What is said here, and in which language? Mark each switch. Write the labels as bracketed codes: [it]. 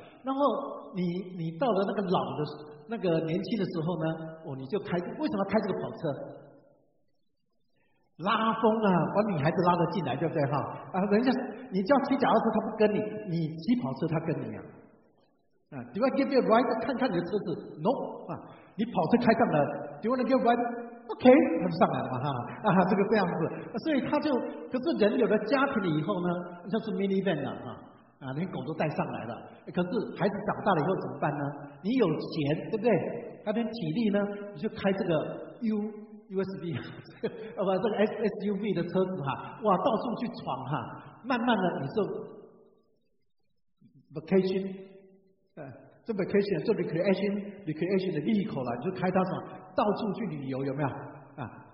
[zh] 然后你到了那个老的那个年轻的时候呢，你就开，为什么开这个跑车？拉风啊，把女孩子拉得进来，对不对哈？人家你叫骑脚踏车，他不跟你；你骑跑车，他跟你啊。 [en] Do I give you a ride？ [zh] 看看你的车子 [en] ，No 啊。 [zh] 你跑车开上来 [en] ，Do you want to give a ride？ [zh] OK， 他就上来了嘛哈。这个这样子，所以他就可是人有了家庭了以后呢，就是 minivan 了哈。连狗都带上来了。可是孩子长大了以后怎么办呢？你有钱，对不对？那边体力呢，你就开这个 U USB 这个 SUV 的车子哈，哇，到处去闯哈，慢慢的你就 vacation， 这 vacation 这 recreation 的 vehicle 了，你就开它什么，到处去旅游有没有啊？